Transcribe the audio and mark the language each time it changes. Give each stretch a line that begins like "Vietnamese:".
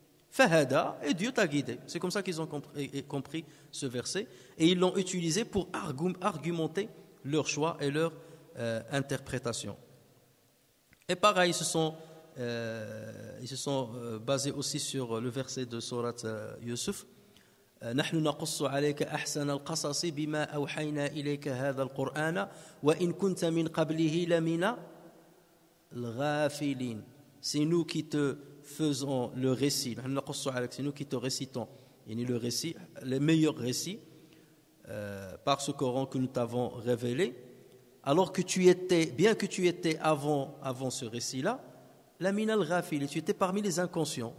French: Fahada, et Dieu t'a guidé. C'est comme ça qu'ils ont compris ce verset, et ils l'ont utilisé pour argumenter leur choix et leur interprétation. Et pareil, ils se sont basés aussi sur le verset de Surat Yusuf.
Arabic: نحن نقص عليك أحسن القصص بما أوحينا إليك هذا القرآن وإن كنت من قبله لمن الغافلين.
French: C'est nous qui te faisons le récit.
Arabic: نحن نقص عليك,
French: c'est nous qui te récitons, يعني le récit, le meilleur récit par ce Coran que nous t'avons révélé. Alors que tu étais, bien que tu étais avant ce récit-là,
Arabic: lamin al-ghafil,
French: tu étais parmi les inconscients.